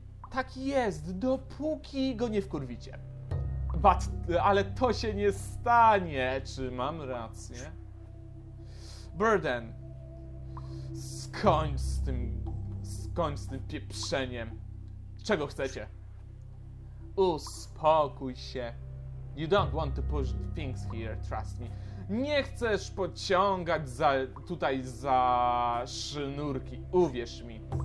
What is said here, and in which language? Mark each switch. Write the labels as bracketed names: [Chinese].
[Polish] Tak jest, dopóki go nie wkurwicie. Ale to się nie stanie. Czy mam rację? Burden. Skończ z tym pieprzeniem. Czego chcecie? Uspokój się. [English] You don't want to push things here, trust me. [Polish] Nie chcesz pociągać za sznurki. Uwierz mi.